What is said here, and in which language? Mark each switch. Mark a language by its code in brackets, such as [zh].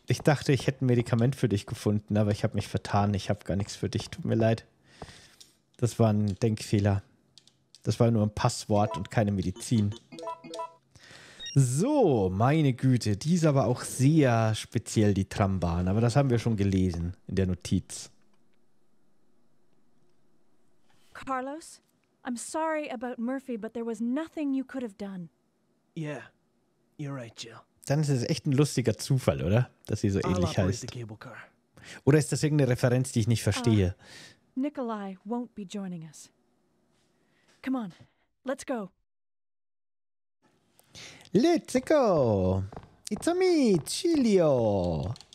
[de] Ich dachte, ich hätte ein Medikament für dich gefunden, aber ich habe mich vertan. Ich habe gar nichts für dich. Tut mir leid. Das war ein Denkfehler. Das war nur ein Passwort und keine Medizin. So, meine Güte, die ist aber auch sehr speziell, die Trambahn. Aber das haben wir schon gelesen in der Notiz. [en] Carlos, I'm sorry about Murphy, but there was nothing you could have done. Yeah, you're right, Jill. [de] Dann ist es echt ein lustiger Zufall, oder? Dass sie so ähnlich heißt. Oder ist das irgendeine Referenz, die ich nicht verstehe? [en] Nikolai won't be joining us. Come on, let's go. Let's go! It's a me, Chilio!